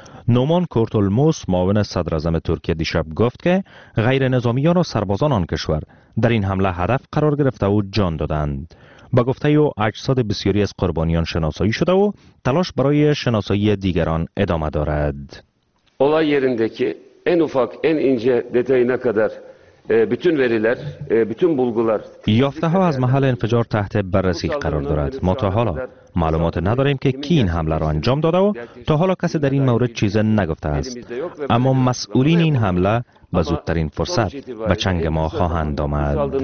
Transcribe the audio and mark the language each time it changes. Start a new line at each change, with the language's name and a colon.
Persian: نومان کورتولموس معاون صدر اعظم ترکیه دیشب گفت که غیر نظامیان و سربازان آن کشور در این حمله هدف قرار گرفته و جان دادند. با گفته او اجساد بسیاری از قربانیان شناسایی شده و تلاش برای شناسایی دیگران ادامه دارد.
Turkish: اولای yerinde ki en ufak en ince detayına kadar bütün veriler, bütün bulgular.
Persian: یافته ها از محل انفجار تحت بررسی قرار دارد. ما تا حالا معلومات نداریم که کی این حمله را انجام داده و تا حالا کسی در این مورد چیزی نگفته است. اما مسئولین این حمله به زودترین فرصت به چنگ ما خواهند آمد.